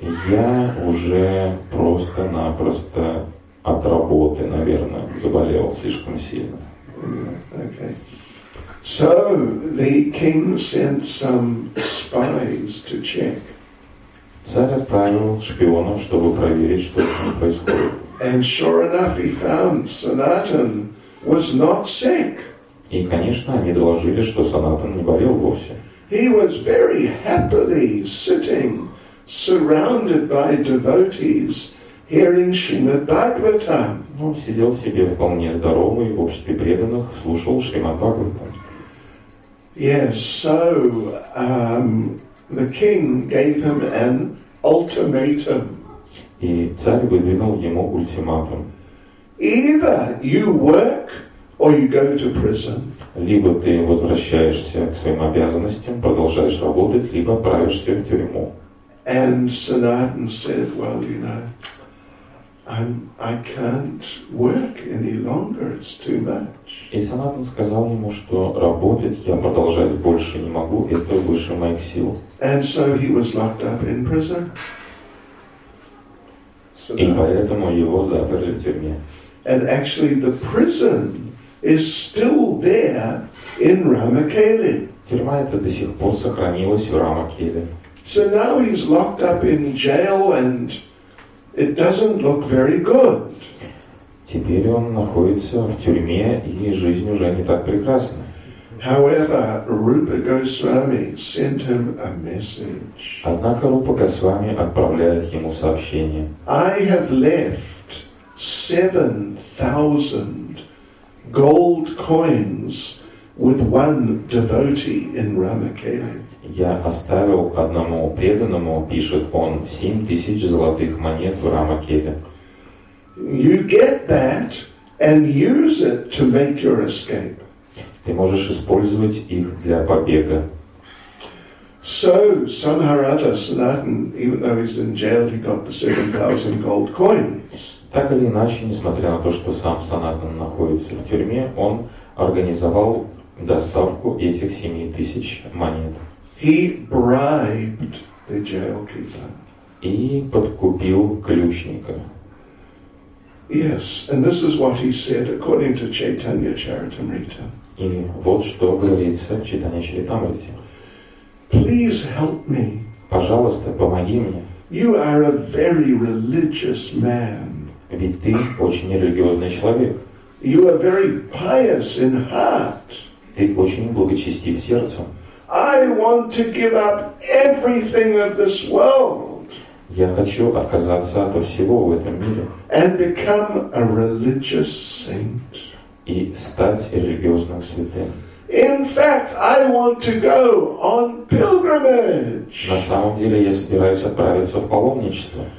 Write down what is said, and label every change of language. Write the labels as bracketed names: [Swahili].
[Russian] Я уже просто-напросто от работы, наверное, заболел слишком сильно. [English] Okay. So the king sent some spies to check. [Russian] Царь отправил шпионов, чтобы проверить, что с ним происходит. [English] And sure enough, he found Sanatan was not sick. [Russian] И, конечно, они доложили, что Санатан не болел вовсе. [English] He was very happily sitting, surrounded by devotees, hearing Shrimad Bhagavatam. [Russian] Он сидел себе вполне здоровый в обществе преданных, слушал Шримад Бхагаватам. [English] Yes, so the king gave him an ultimatum. [Russian] И царь выдвинул ему ультиматум. [English] Either you work or you go to prison. [Russian] Либо ты возвращаешься к своим обязанностям, продолжаешь работать, либо отправишься в тюрьму. [English] And Sanatan said, well, you know, I can't work any longer, it's too much. [Russian] И Санатан сказал ему, что работать я продолжать больше не могу, это выше моих сил. [English] And so he was locked up in prison. [Russian] И поэтому его заперли в тюрьме. [English] And actually the prison is still there in Ramakeli. [Russian] Тюрьма эта до сих пор сохранилась в Рамакеле. [English] So now he's locked up in jail and it doesn't look very good. [Russian] Теперь он находится в тюрьме, и жизнь уже не так прекрасна. [English] However, Rupa Goswami sent him a message. [Russian] Однако Рупа Госвами отправляет ему сообщение. [English] I have left 7,000 gold coins with one devotee in Ramakeli. [Russian] Я оставил одному преданному, пишет он, 7,000 золотых монет в Рамакеле. [English] You get that and use it to make your escape. [Russian] Ты можешь использовать их для побега. [English] So somehow or other, Sanatan, even though he's in jail, he got the 7,000 gold coins. [Russian] Так или иначе, несмотря на то, что сам Санатан находится в тюрьме, он организовал доставку этих 7,000 монет. [English] He bribed the jailkeeper. [Russian] И подкупил ключника. [English] Yes, and this is what he said according to Chaitanya Charitamrita. [Russian] И вот что говорится в Чайтанья Чаритамрите. [English] Please help me. [Russian] Пожалуйста, помоги мне. [English] You are a very religious man. [Russian] Ведь ты очень религиозный человек. [English] You are very pious in heart. [Russian] Ты очень благочестив сердцем. [English] I want to give up everything of this world. [Russian] Я хочу отказаться от всего в этом мире. [English] And become a religious saint. [Russian] И стать религиозным святым. [English] In fact, I want to go on pilgrimage. [Russian] На самом деле, я собираюсь отправиться в паломничество.